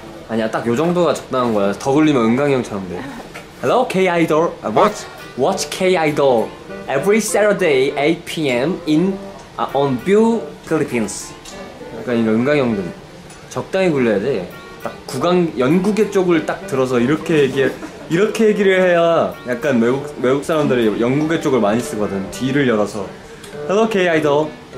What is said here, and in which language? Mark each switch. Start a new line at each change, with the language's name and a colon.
Korean: 아니야, 딱 요 정도가 적당한 거야. 더 굴리면 은강이 형처럼 돼.
English: Hello, K-Idol. Watch K-Idol every Saturday 8 p.m. in on View Philippines.
Korean: 약간 이거 은강이 형들 적당히 굴려야 돼. 딱 구강 연구계 쪽을 딱 들어서 이렇게 얘기 이렇게 얘기를 해야 약간 외국 사람들이 연구계 쪽을 많이 쓰거든. 뒤를 열어서
English: Hello, K-Idol.